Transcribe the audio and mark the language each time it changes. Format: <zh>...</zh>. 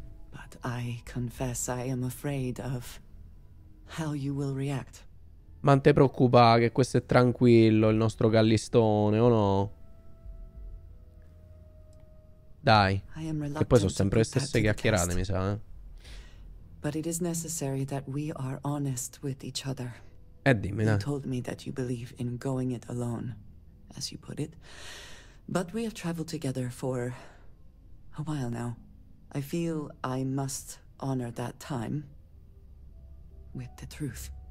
<en>But I confess I am afraid of how you will react.</en> <it>Ma non ti preoccupa che questo è tranquillo, il nostro Callistone, o no? Dai. E poi sono sempre le stesse chiacchierate, mi sa, eh.</it> <en>But it is necessary that we are honest with each other.</en> <it>Dimmi, dai.</it> <en>You told me that you believe in going it alone, as you put it. But we have traveled together for a while now. I feel I must honor that time. With the truth.</en>